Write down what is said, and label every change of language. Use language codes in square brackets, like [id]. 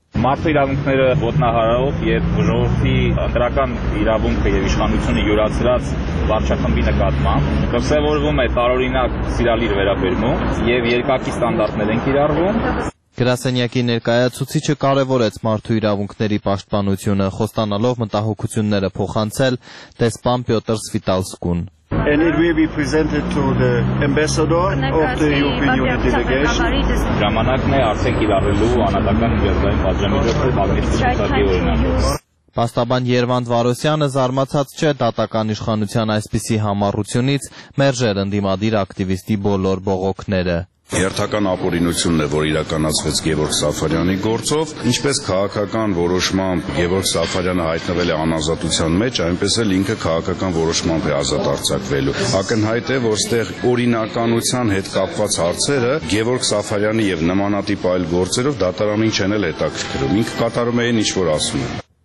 [hy] Մարդու իրավունքները ոտնահարելով եւ ժողովրդի ընտրական իրավունքը եւ իշխանությունը յուրացրած վարչախմբի նկատմամբ կրսեւորվում է տարօրինակ սիրալիր վերաբերմունք եւ երկակի ստանդարտներ են կիրառվում։ Գրասենյակի ներկայացուցիչը կարևորեց մարդու իրավունքների պաշտպանությունը, խոստանալով մտահոգությունները փոխանցել դեսպան Պյոտր Սվիտալսկուն։ [en] And it will be presented to the ambassador of the European Union delegation. [hy] Ժամանակն է արդեն իրավելու անհատական միջազգային պատժամիջոցը բազմաշերտի օրինակով։ Պաստաբան Երվանդ Վարոսյանը զարմացած չէ դատական իշխանության այսպիսի համառությունից մերժել ընդդիմադիր ակտիվիստի բոլոր բողոքները։ Հերթական ապօրինությունն է, որ իրականացվեց Գևորգ Սաֆարյանի գործով, ինչպես քաղաքական որոշմամբ Գևորգ Սաֆարյանը հայտնվել է անազատության մեջ, այնպես էլ ինքը քաղաքական որոշմամբ է ազատ արձակվելու։ Ակնհայտ է, որ ստեղ օրինականության հետ կապված հարցերը Գևորգ Սաֆարյանի եւ նմանատիպ այլ գործերով դատարանին չեն էլ հետաքրքրում, ինքը կատարում է ինչ որ ասում է։